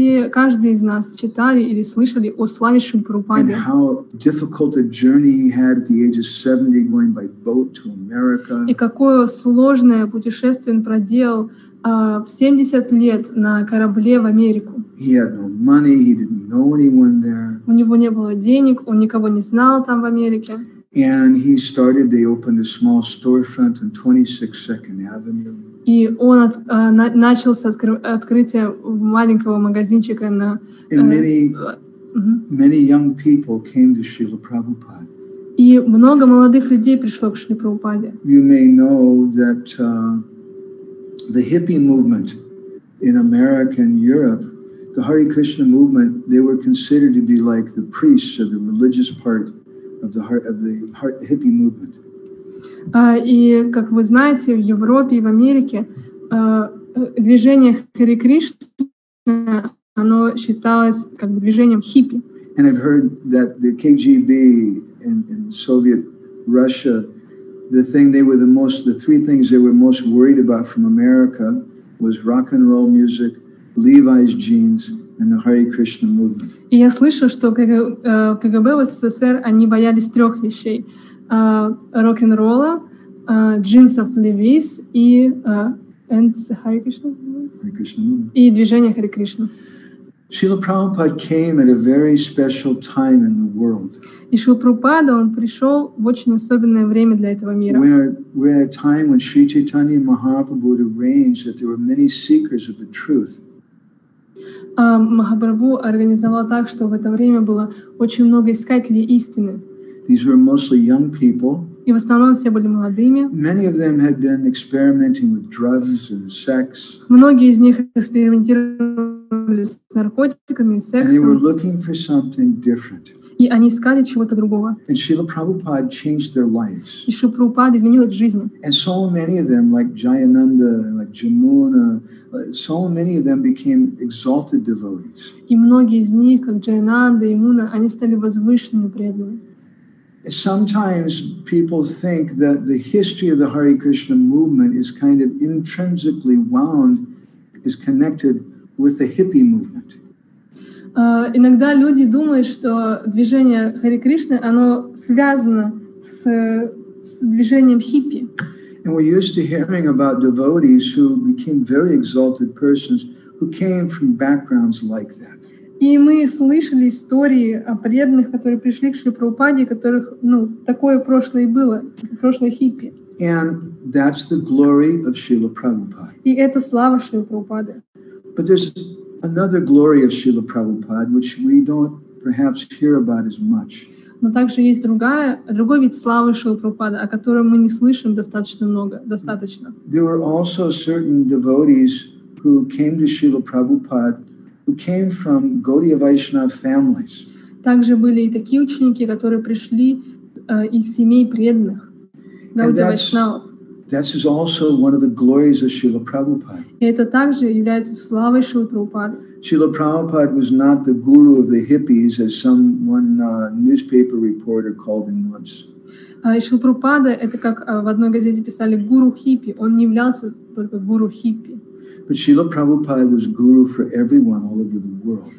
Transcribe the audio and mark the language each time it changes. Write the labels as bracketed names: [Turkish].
[Russian] Каждый из нас читали или слышали о славе Шрилы Прабхупады. [English] And how difficult a journey he had at the age of 70 going by boat to America. [Russian] И какое сложное путешествие он проделал в 70 лет на корабле в Америку. [English] He had no money, he didn't know anyone there. [Russian] У него не было денег, он никого не знал там в Америке. [English] And he started, they opened a small storefront on 26 Second Avenue. [Russian] И он начался открытие маленького магазинчика на... [English] Many young people came to Srila Prabhupada. [Russian] И много молодых людей пришло к Шриле Прабхупаде. [English] You may know that the hippie movement in America and Europe, the Hare Krishna movement, they were considered to be like the priests of the religious part of the hippie movement. [Russian] И, как вы знаете, в Европе и в Америке движение Хари Кришна, оно считалось как бы движением хиппи. [English] And I've heard that the KGB in Soviet Russia the thing they were the most, the three things they were most worried about from America was rock and roll music, Levi's jeans, and the Hare Krishna movement. [Russian] И я слышу, что КГБ в СССР они боялись трех вещей: рок-н-ролла, джинсов Levi's и [English] Hare Krishna movement. [Russian] И движение Hare Krishna. [English] Srila Prabhupada came at a very special time in the world. [Russian] И Шрила Прабхупада, он пришел в очень особенное время для этого мира. [English] We're at a time when Sri Chaitanya Mahaprabhu had arranged that there were many seekers of the truth. [Russian] Махапрабху организовал так, что в это время было очень много искателей истины. [English] These were mostly young people. [Russian] И в основном все были молодыми. [English] Many of them had been experimenting with drugs and sex. [Russian] Многие из них экспериментировали с наркотиками, с сексом. [English] And they were looking for something different. [Russian] И они искали чего-то другого. [English] And Srila Prabhupada changed their lives. [Russian] И Шрила Прабхупада изменил их жизни. [English] And so many of them, like Jayananda, like Jamuna, so many of them became exalted devotees. [Russian] И многие из них, как Джайананда, Ямуна, они стали возвышенными преданными. [English] Sometimes people think that the history of the Hare Krishna movement is kind of intrinsically wound, is connected with the hippie movement. [Russian] Иногда люди думают, что движение Харе Кришны, оно связано с движением хиппи. [English] And we're used to hearing about devotees who became very exalted persons who came from backgrounds like that. [Russian] И мы слышали истории о преданных, которые пришли к Шри Прабхупаде, которых, ну, такое прошлое было, прошлое хиппи. [English] And that's the glory of Srila Prabhupada. [Russian] И это слава Шри Прабхупады. [English] But there's another glory of Srila Prabhupada, which we don't perhaps hear about as much. [Russian] Но также есть другой вид славы Шрилы Прабхупады, о котором мы не слышим достаточно. [English] There were also certain devotees who came to Srila Prabhupada, who came from Gaudiya Vaishnava families. [Russian] Также были и такие ученики, которые пришли из семей преданных Гаудия Вайшнава. [English] This is also one of the glories of Srila Prabhupada. [Russian] Это также является славой Шрилы Прабхупады. [English] Srila Prabhupada was not the guru of the hippies, as some one newspaper reporter called him once. [Russian] Шрила Прабхупада это как в одной газете писали гуру хиппи. Он не являлся только гуру хиппи. [English] But Srila Prabhupada was guru for everyone all over the world.